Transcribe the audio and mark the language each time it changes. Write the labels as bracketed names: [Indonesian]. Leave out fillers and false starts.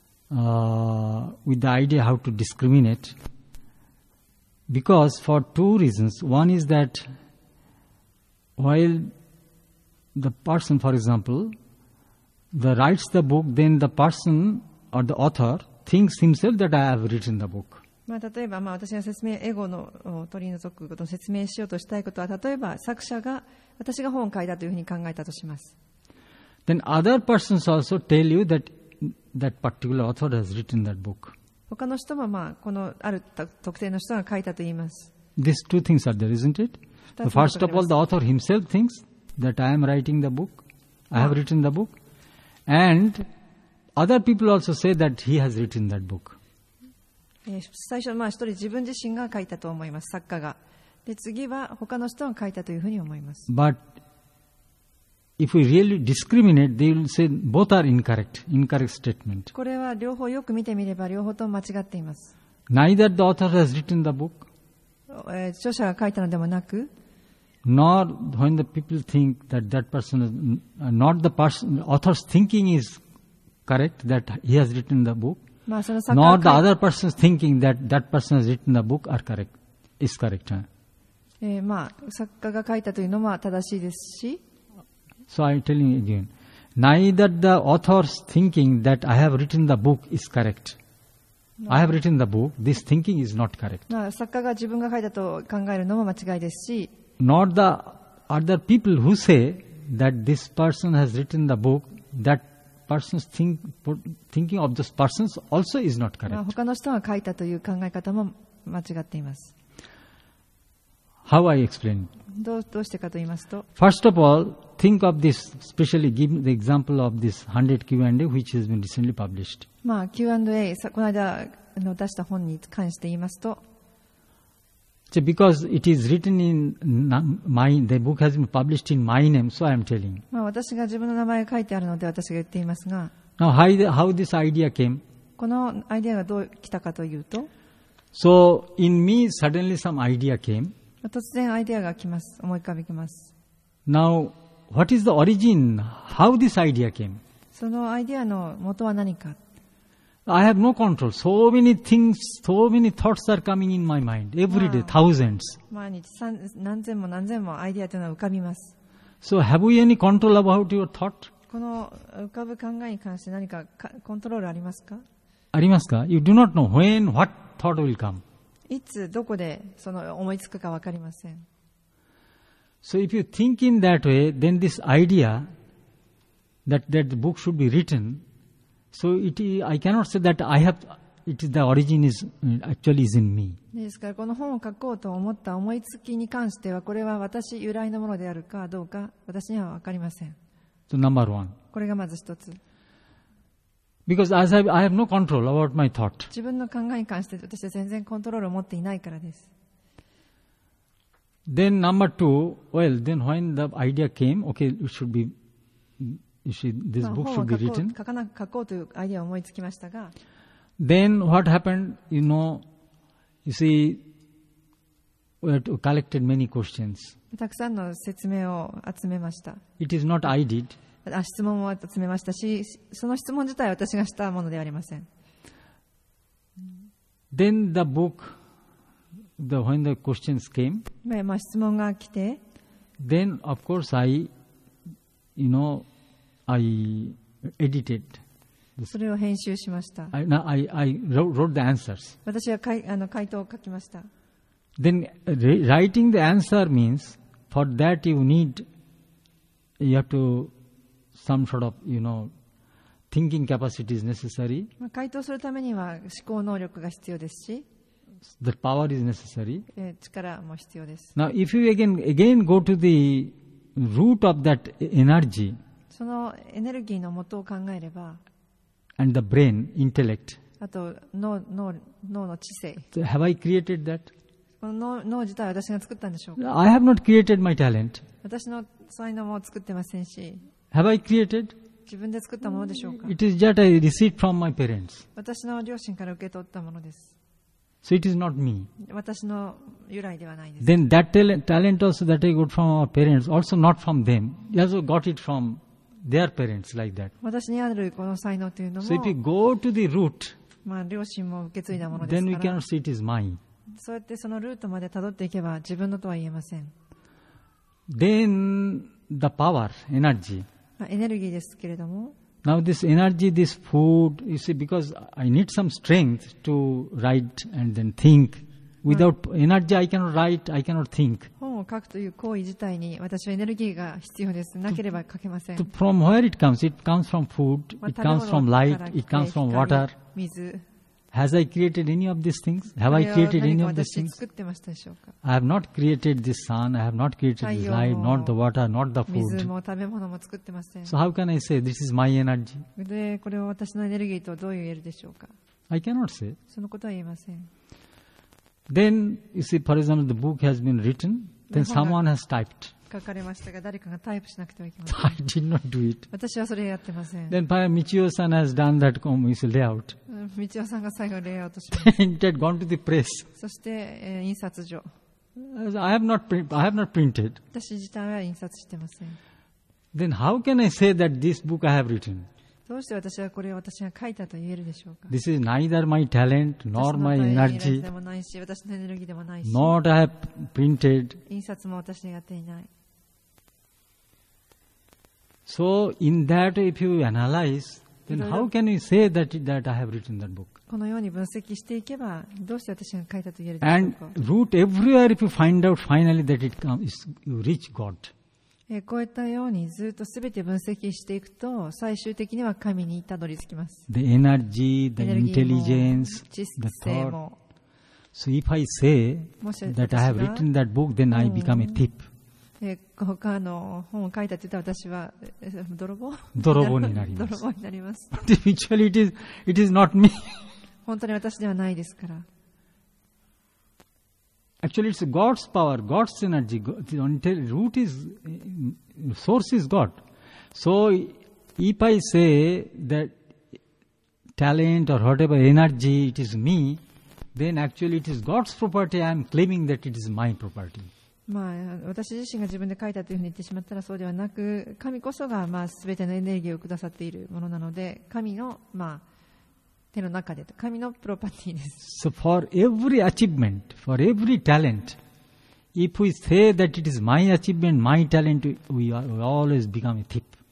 [English] with the idea how to discriminate. Because for two reasons. One is that while the person, for example, the writes the book, then the person or the author thinks himself that I have written the book. [Japanese] まあ、例えば、まあ、私が説明エゴの取り除くことを説明しようとしたいことは、例えば作者が私が本を書いたというふうに考えたとします。 [English] Then other persons also tell you that that particular author has written that book. [Japanese] 他の人も、まあ、このある特定の人が書いたと言います。 [English] These two things are there, isn't it? The first of all, the author himself thinks that I am writing the book. I have written the book. And other people also say that he has written that book. [Japanese] 最初、まあ、一人自分自身が書いたと思います、作家が。で、次は他の人が書いたというふうに思います。 [English] But if we really discriminate, they will say both are incorrect, incorrect statement. [Japanese] これは両方よく見てみれば、両方とも間違っています。 [English] Neither the author has written the book, [Japanese] 著者が書いたのでもなく、 [English] nor when the people think that that person, not the person, author's thinking is correct, that he has written the book. [Japanese] まあ、その [English] 作家 Not the other person's thinking that that person has written the book are correct, is correct.、 [Japanese] まあ、作家が書いたというのは正しいですし。 [English] So I'm telling you again, neither the author's thinking that I have written the book is correct. I have written the book, this thinking is not correct.、 [Japanese] まあ、作家が自分が書いたと考えるのも間違いですし。 [English] Not the other people who say that this person has written the book that person's thinking of those persons also is not correct. [Japanese] まあ、他の人が書いたという考え方も間違っています。 [English] How I explain? [Japanese] どうしてかと言いますと、 [English] First of all, think of this, especially give the example of this 100 Q&A which has been recently published. [Japanese] まあ、Q&A、この間の出した本に関して言いますと、 [English] So because it is written in my, the book has been published in my name, so I am telling. [Japanese] まあ、私が自分の名前が書いてあるので私が言っていますが。 [English] Now how this idea came? [Japanese] このアイデアがどう来たかというと。 [English] So in me suddenly some idea came. [Japanese] 突然アイデアが来ます。思い浮かびます。 [English] Now what is the origin? How this idea came? [Japanese] そのアイデアの元は何か。 [English] I have no control. So many things, so many thoughts are coming in my mind every day, thousands. [Japanese] 毎日何千も何千もアイデアというのは浮かびます。 [English] So have you any control about your thought? [Japanese] この浮かぶ考えに関して何かコントロールありますか？ありますか [English] ？You do not know when what thought will come. [Japanese] いつどこでその思いつくか分かりません。 [English] So if you think in that way, then this idea that the book should be written. So it, I cannot say that I have. It is the origin is actually is in me. [Japanese] ですからこの本を書こうと思った思いつきに関してはこれは私由来のものであるかどうか私には分かりません。 [English] So number one. [Japanese] これがまず一つ。 [English] Because as I have no control about my thought. [Japanese] 自分の考えに関して私は全然コントロールを持っていないからです。 [English] Then number two. Well, then when the idea came, okay, it should be. You see, this book should be written. [Japanese] 書こうというアイデアを思いつきましたが、 [English] Then what happened? You know, you see, we had collected many questions. [Japanese] たくさんの説明を集めました。 [English] It is not I did. [Japanese] 質問を集めましたし、その質問自体は私がしたものではありません。 [English] Then the book, when the questions came, [Japanese] 質問が来て、 [English] Then of course I, you know,I edited. [Japanese] それを編集しました。 [English] I wrote the answers. [Japanese] 私は回答を書きました。 [English] Then writing the answer means for that you have to some sort of, you know, thinking capacity is necessary. [Japanese] 回答するためには思考能力が必要ですし。 [English] The power is necessary. [Japanese] 力も必要です。 [English] Now if you again go to the root of that energy, [Japanese] そのエネルギーの元を考えれば、 [English] And the brain, intellect. [Japanese] あと脳の知性。 [English] So、have I created that? [Japanese] この脳自体は私が作ったんでしょうか。 [English] I have not created my talent. [Japanese] 私の才能も作ってませんし。 [English] Have I created? [Japanese] 自分で作ったものでしょうか。 [English] It is just I received from my parents. [Japanese] 私の両親から受け取ったものです。 [English] So it is not me. [Japanese] 私の由来ではないです。 [English] Then that talent also that I got from our parents, also not from them. He also got it from their parents like that. [Japanese] 私にあるこの才能というのも、 [English] so if you go to the root, [Japanese] まあ両親も受け継いだものですから、 [English] then we cannot see it is mine. [Japanese] そうやってそのルートまで辿っていけば自分のとは言えません。 [English] Then the power, energy. [Japanese] まあエネルギーですけれども。 [English] Now this energy, this food, you see, because I need some strength to write and then think. Without energy, I cannot write, I cannot think. [Japanese] 本を書くという行為自体に私はエネルギーが必要です。なければ書けません。 [English] From where it comes? It comes from food, it comes from light, it comes from water. [Japanese] 水。 [English] Has I created any of these things? Have I created any of these things? I have not created this sun, I have not created this light, not the water, not the food. [Japanese] 水も食べ物も作ってません。 [English] So how can I say this is my energy? [Japanese] で、これを私のエネルギーとどう言えるでしょうか? [English] I cannot say. [Japanese] そのことは言えません。 [English] Then, you see, for example, the book has been written, then someone has typed. [Japanese] 書かれましたが、誰かがタイプしなくてはいけません。 [English] I did not do it. [Japanese] 私はそれやってません。 [English] Then, Michio-san has done that, you see, layout. [Japanese] Michio-san が最後レイアウトします [English] 。 It had gone to the press. [Japanese] そして、印刷所。 [English] I have not printed. [Japanese] 私自体は印刷してません。 [English] Then, how can I say that this book I have written? [Japanese] どうして私はこれを私が書いたと言えるでしょうか? [English] This is neither my talent nor my energy. [Japanese] 私のエネルギーでもないし、私のエネルギーでもないし。 [English] Not I have printed. [Japanese] 印刷も私にやっていない。 [English] So in that, if you analyze, then how can you say that I have written that book? [Japanese] このように分析していけば、どうして私が書いたと言えるでしょうか? [English] And root everywhere, if you find out finally that it comes, you reach God. [Japanese] こういったようにずっとすべて分析していくと最終的には神にたどり着きます。 [English] The energy, the intelligence, the thought. So if I say that I have written that book, then I become a thief. [Japanese] 他の本を書いたって言ったら私は泥棒になります。泥棒になります。 [English] But eventually it is not me. [Japanese] 本当に私ではないですから。 [English] Actually, it's God's power, God's energy. The root is, source is God. So, if I say that talent or whatever energy, it is me, then actually it is God's property. I am claiming that it is my property. [Japanese] まあ、私自身が自分で書いたというふうに言ってしまったらそうではなく、神こそがまあ全てのエネルギーをくださっているものなので、神のまあ、手の中で神のプロパティです。 [English] So for every achievement, for every talent, if we say that it is my achievement, my talent, we always become a thief.